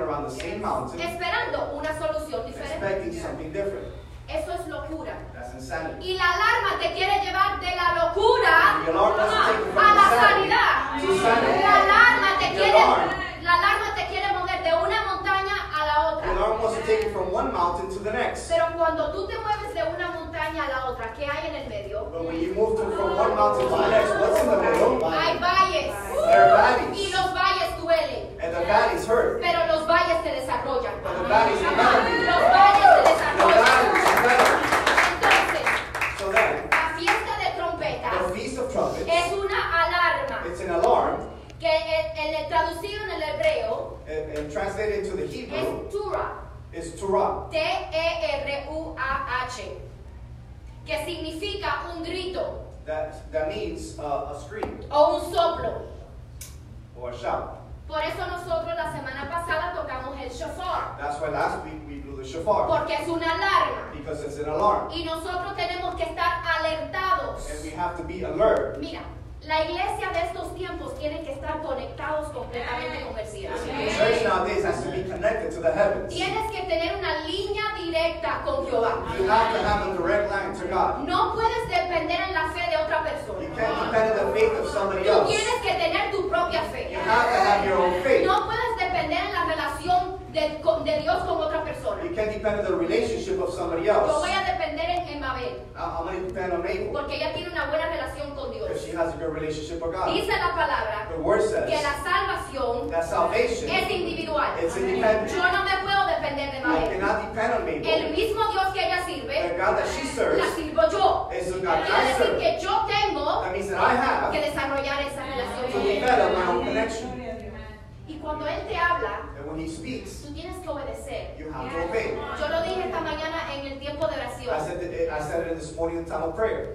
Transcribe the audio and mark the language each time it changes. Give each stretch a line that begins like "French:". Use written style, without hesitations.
Spanish: Esperando una solución diferente.
English: Expecting something different.
Spanish: Eso es locura.
English: That's insanity.
Spanish: Y la alarma te quiere llevar de la locura a la sanidad.
English: Sanity.
Spanish: La alarma te quiere. La alarma te quiere mover de una montaña a la otra.
English: The alarm wants to take you from one mountain to the next.
Spanish: Pero cuando tú te mueves de una montaña a la otra, ¿qué hay en el medio?
English: But when you move to, from one mountain to the next, what's in the middle?
Spanish: Hay valles.
English: There are valleys.
Spanish: Y los valles duelen.
English: And the valleys hurt.
Spanish: Pero los valles se desarrollan.
English: But the valleys develop.
Spanish: Los valles se desarrollan.
English: The valleys develop.
Spanish: Entonces,
English: so then,
Spanish: la fiesta de trompetas,
English: the feast of trumpets,
Spanish: es una alarma.
English: It's an alarm.
Spanish: Que el traducido en el hebreo
English: and translated into the Hebrew
Spanish: es Tura.
English: Is Tura.
Spanish: T-E-R-U-A-H. Que significa un grito.
English: That means a scream.
Spanish: O un soplo.
English: Or a shout.
Spanish: Por eso nosotros la semana pasada tocamos el shofar.
English: That's why last week we blew the shofar.
Spanish: Porque es una alarma.
English: Because it's an alarm.
Spanish: Y nosotros tenemos que estar alertados.
English: And we have to be alert.
Spanish: Mira. La iglesia de estos tiempos tiene que estar conectados completamente con el cielo.
English: The church nowadays has to be connected to the heavens.
Spanish: Tienes que tener una línea directa con Jehová.
English: You have to have a direct line to God.
Spanish: No puedes depender en la fe de otra persona.
English: You can't depend on the faith of somebody
Spanish: else. Tú tienes que tener tu propia fe.
English: You have to have your own faith.
Spanish: No puedes depender en la relación de Dios con otra persona.
English: You can't depend on the relationship of somebody else.
Spanish: Yo voy a depender en Mabel.
English: I'm going to depend on Mabel.
Spanish: Porque ella tiene una buena relación con Dios.
English: Because she has a good relationship with God.
Spanish: Dice la palabra.
English: The word says.
Spanish: Que la salvación.
English: That salvation.
Spanish: Es individual.
English: It's independent.
Spanish: Yo no me puedo depender de Mabel.
English: I cannot depend on Mabel.
Spanish: El mismo Dios que ella sirve.
English: The God that she serves.
Spanish: La sirvo yo. Es el God
English: that I serve.
Spanish: Que yo tengo.
English: That means that I have.
Spanish: Que desarrollar esa relación.
English: To develop my own connection.
Spanish: Y cuando Él te habla,
English: and when He speaks,
Spanish: tú tienes que obedecer.
English: You have to obey.
Spanish: Yo lo dije esta mañana en el tiempo de oración.
English: I said it this morning in the time of prayer.